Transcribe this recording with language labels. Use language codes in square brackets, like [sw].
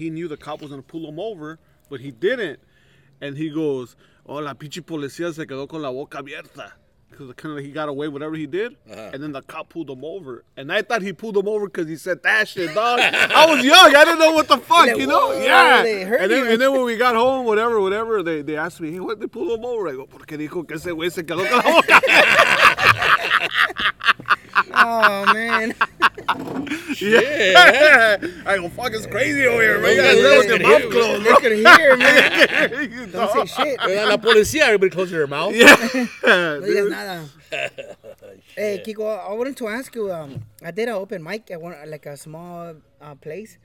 [en] He knew the cop was going to pull him over, but he didn't. And he goes, [es] hola, pinche policía se quedó con la boca abierta. [en] Because kind of like he got away, whatever he did. Uh-huh. And then the cop pulled him over. And I thought he pulled him over because he said that shit, dog. I was young. I didn't know what the fuck, like, you know? Yeah. And then when we got home, whatever, they asked me, hey, what did they pull him over? [es] I go, ¿por qué dijo que ese güey se quedó con la boca? [en] Oh, man. Yeah. I go, fuck, it's crazy over here, man. You guys live with your mouth closed, bro. They can hear, man. Don't say shit. [es] La policía, [en] everybody closes their mouth. Yeah. [es] No, nada. [en] Hey, Kiko, I wanted to ask you, I did an open mic at one, like a small place.